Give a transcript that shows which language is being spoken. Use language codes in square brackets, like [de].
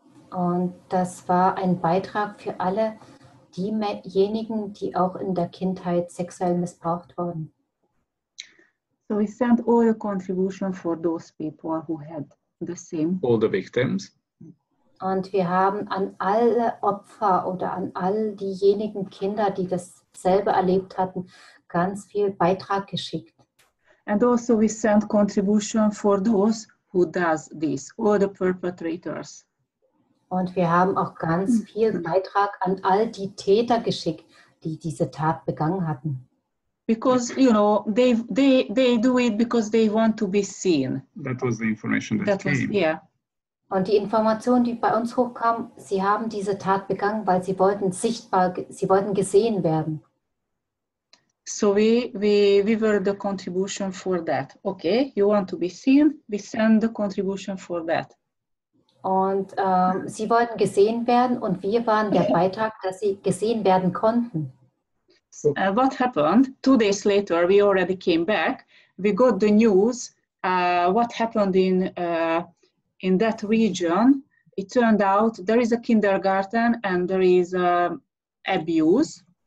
[de] Und das war ein Beitrag für alle diejenigen, die auch in der Kindheit sexuell missbraucht wurden. [en] So we sent all the contribution for those people who had the same. All the victims. [de] Und wir haben an alle Opfer oder an all diejenigen Kinder, die dasselbe erlebt hatten, ganz viel Beitrag geschickt. [en] And also we send contribution for those who does this, all the perpetrators. [de] Und wir haben auch ganz viel Beitrag an all die Täter geschickt, die diese Tat begangen hatten. [en] Because, you know, they do it because they want to be seen. That was the information that came. Yeah. [de] Und die Information, die bei uns hochkam, sie haben diese Tat begangen, weil sie wollten sichtbar, sie wollten gesehen werden. [en] So we were the contribution for that. Okay, you want to be seen, we send the contribution for that. [de] Und sie wollten gesehen werden und wir waren der Beitrag, dass sie gesehen werden konnten. [en] So, what happened? 2 days later, we already came back. We got the news, what happened in that region, it turned out there is a kindergarten and there is abuse.